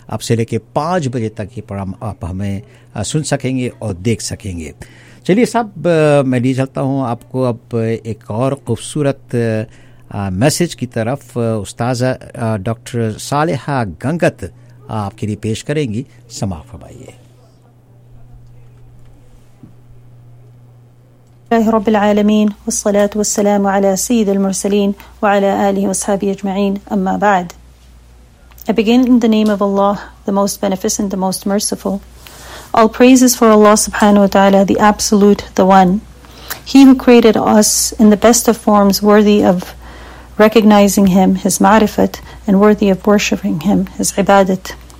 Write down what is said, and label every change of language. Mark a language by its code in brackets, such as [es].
[hi] अब से लेके 5 बजे तक ये प्रोग्राम आप हमें सुन सकेंगे और देख सकेंगे। चलिए साहब, मैं ले चलता हूँ आपको अब एक और खूबसूरत मैसेज की तरफ। उस्ताजा डॉक्टर सालेहा गंगत आपके लिए पेश करेंगी, समाप्त फरमाइए। [ar] الله رب العالمين والصلاة والسلام على سيد المرسلين وعلى آله وصحبه أجمعين أما بعد. [en] I begin in the name of Allah, the Most Beneficent, the Most Merciful. All praises for Allah subhanahu wa ta'ala, the Absolute, the One. He who created us in the best of forms, worthy of recognizing Him, His ma'rifat, and worthy of worshiping Him, His ibadat.